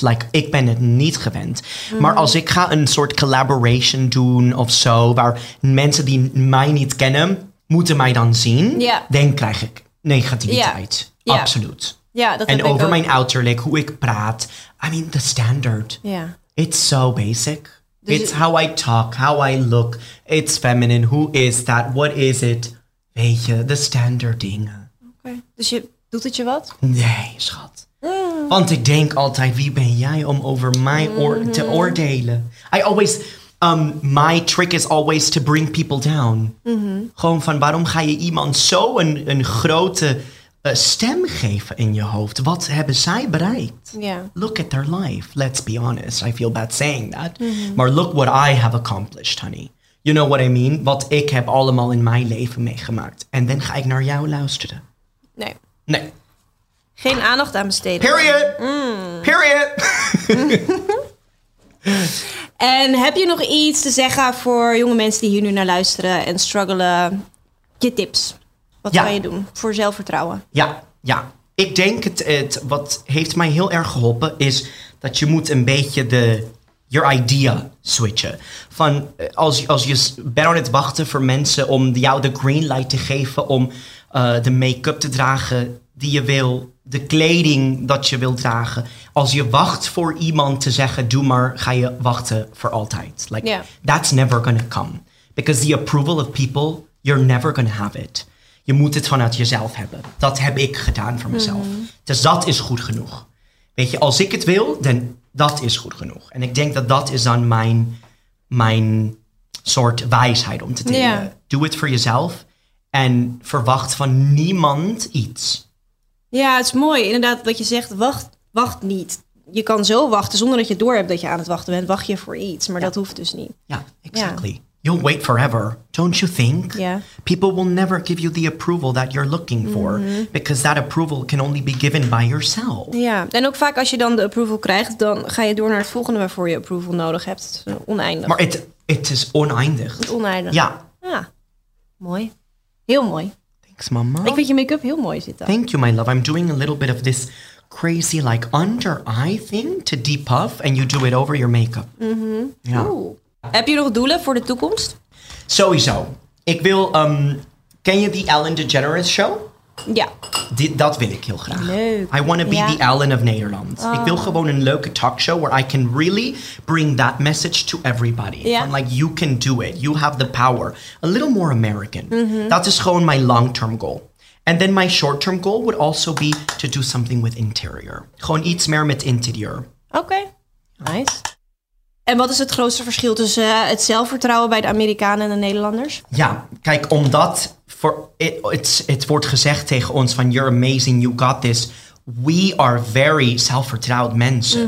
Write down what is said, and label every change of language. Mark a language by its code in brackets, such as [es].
[nl] Like, ik ben het niet gewend. Mm-hmm. Maar als ik ga een soort collaboration doen of zo, waar mensen die mij niet kennen, moeten mij dan zien. [en] Yeah. [nl] Dan krijg ik negativiteit. [en] Yeah. [nl] Absoluut. Yeah, dat en over ook. Mijn uiterlijk, hoe ik praat. [en] I mean, the standard. Yeah. It's so basic. Dus it's how I talk, how I look. It's feminine. Who is that? What is it? [nl] Weet je, [en] the standard dingen. [nl] Oké. Dus doet het je wat? Nee, schat. Want ik denk altijd, wie ben jij om over mij te oordelen? [en] I always, my trick is always to bring people down. Mm-hmm. [nl] Gewoon van, waarom ga je iemand zo een grote stem geven in je hoofd? Wat hebben zij bereikt? [en] Yeah. Look at their life. Let's be honest. I feel bad saying that. Mm-hmm. Maar look what I have accomplished, honey. You know what I mean? [nl] Wat ik heb allemaal in mijn leven meegemaakt. En dan ga ik naar jou luisteren. Nee. Nee. Geen aandacht aan besteden. [en] Period. Mm. Period. [nl] En heb je nog iets te zeggen voor jonge mensen die hier nu naar luisteren en struggelen? Je tips. Wat kan je doen voor zelfvertrouwen? Ja. Ik denk het wat heeft mij heel erg geholpen is dat je moet een beetje de your idea switchen. Van als je bent aan het wachten voor mensen om jou de green light te geven om de make-up te dragen die je wil, de kleding dat je wil dragen. Als je wacht voor iemand te zeggen doe maar, ga je wachten voor altijd. [en] Like, yeah. That's never gonna come. Because the approval of people, you're never gonna have it. [nl] Je moet het vanuit jezelf hebben. Dat heb ik gedaan voor mezelf. Mm-hmm. Dus dat is goed genoeg. Weet je, als ik het wil, dan dat is goed genoeg. En ik denk dat dat is dan mijn soort wijsheid om te delen. Yeah. Doe het voor jezelf en verwacht van niemand iets. Ja, het is mooi inderdaad wat je zegt. Wacht niet. Je kan zo wachten zonder dat je door hebt dat je aan het wachten bent. Wacht je voor iets, maar ja. Dat hoeft dus niet. [en] Ja, exactly. Ja. You'll wait forever, don't you think? Yeah. People will never give you the approval that you're looking for. Mm-hmm. Because that approval can only be given by yourself. [nl] Ja, en ook vaak als je dan de approval krijgt, dan ga je door naar het volgende waarvoor je approval nodig hebt. Het is oneindig. Maar het is oneindig. Het is oneindig. Ja. Ja, mooi. Heel mooi. [en] Thanks, mama. [nl] Ik vind je make-up heel mooi zitten. [en] Thank you, my love. I'm doing a little bit of this crazy, like, under-eye thing to de-puff. And you do it over your make-up. Mm-hmm. Ja. Ooh. [nl] Heb je nog doelen voor de toekomst? Sowieso. Ik wil... Ken je die Ellen DeGeneres show? Ja. Dat wil ik heel graag. Leuk. [en] I want to be the Ellen of Nederland. Oh. [nl] Ik wil gewoon een leuke talkshow [en] where I can really bring that message to everybody. [nl] Ja. [en] I'm like, you can do it. You have the power. A little more American. Mm-hmm. [nl] Dat is gewoon [en] my long-term goal. And then my short-term goal would also be to do something with interior. [nl] Gewoon iets meer met interieur. [en] Oké. Okay. Nice. [nl] En wat is het grootste verschil tussen het zelfvertrouwen bij de Amerikanen en de Nederlanders? Ja, kijk, omdat het wordt gezegd tegen ons van [en] you're amazing, you got this. We are very [nl] zelfvertrouwd mensen.